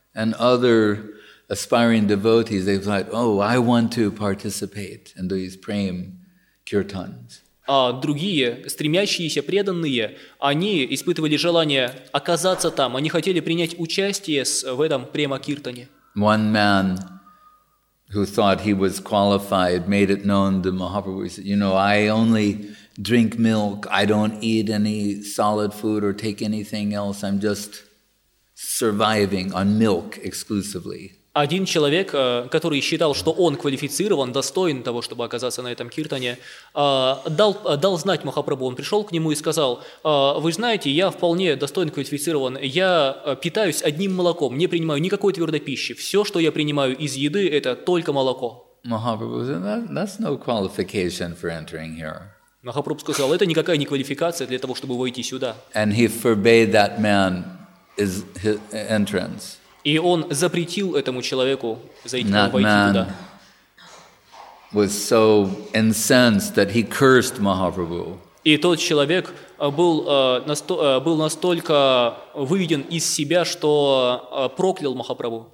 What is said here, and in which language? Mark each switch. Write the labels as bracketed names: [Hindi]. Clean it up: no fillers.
[English] And other aspiring devotees, they thought, oh, I want to participate in these prem kirtans. [Russian] А другие, стремящиеся, преданные, они испытывали желание оказаться там, они хотели принять участие в этом према-киртане. [English] One man who thought he was qualified made it known to Mahaprabhu, he said, you know, I only drink milk, I don't eat any solid food or take anything else, I'm just surviving on milk exclusively. [Russian] Один человек, который считал, что он квалифицирован, достоин того, чтобы оказаться на этом киртане, дал знать Махапрабху. Он пришел к нему и сказал: «Вы знаете, я вполне достоин квалифицирован. Я питаюсь одним молоком, не принимаю никакой твердой пищи. Все, что я принимаю из еды, это только молоко». [English] Махапрабху said, that's no qualification for entering here. [Russian] Махапрабху сказал: «Это никакая не квалификация для того, чтобы войти сюда». [English] And he forbade that man is his entrance. [Russian] И он запретил этому человеку войти туда. [English] Was so incensed that he cursed Mahaprabhu. [Russian] И тот человек был настолько выведен из себя, что проклял Махапрабху.